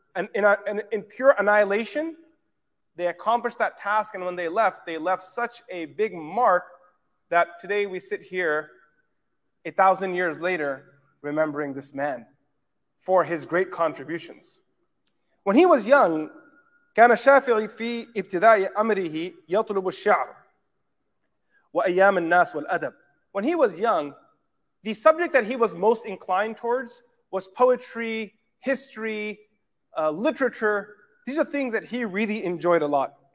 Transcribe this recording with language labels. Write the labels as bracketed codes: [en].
[en] In pure annihilation, they accomplished that task. And when they left such a big mark that today we sit here 1,000 years later remembering this man for his great contributions. When he was young, [ar] كان شافعي في ابتداء أمره يطلب الشعر وأيام الناس والأدب. [en] When he was young, the subject that he was most inclined towards was poetry, history, literature. These are things that he really enjoyed a lot.